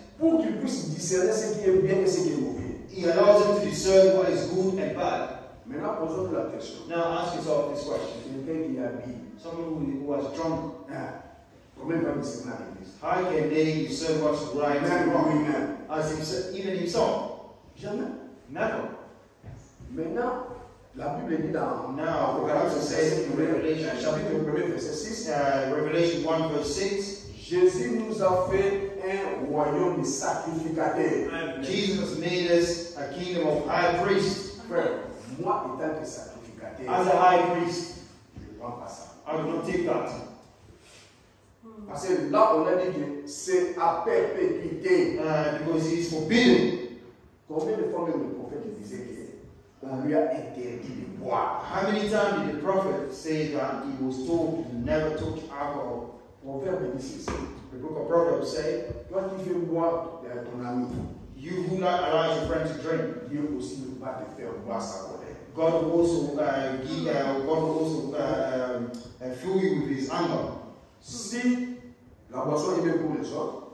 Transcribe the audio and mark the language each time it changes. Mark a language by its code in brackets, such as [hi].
[fr] pour qu'ils puissent discerner ce qui est bien et ce qui est mauvais, [en] he allows them to discern what is good and bad. [fr] Maintenant, posons-nous la question. [en] Now ask yourself this question. Someone who was drunk, [fr] comment peut-il discerner la vérité? [en] How can they discern what's right and wrong? As if even himself, [fr] jamais, [en] never. [fr] Maintenant. La Bible dit dans [en] Revelation [fr] chapitre 1 verset 6, [en] Revelation 1 verse 6, [fr] Jésus nous a fait un royaume de sacrificateurs. [en] Jesus made us a kingdom of high priests. [fr] Moi étant que sacrificateur, [en] as a high priest, [fr] je ne prends pas ça. [en] I will not take that. [fr] Parce que là on a dit que c'est à perpétuité. [en] Because it's forbidden. [fr] Combien de fois le prophète disait que on lui a interdit de boire. [en] How many times did the prophet say that he was told to never touch alcohol? Proverbs 6. The book of Proverbs says, what if you [fr] boire de ton ami? [en] You who not allow your friend to drink, [fr] Dieu aussi ne va te faire boire sa colère. [en] God will also fill you with his anger. [fr] Si la boisson est bien pour les autres,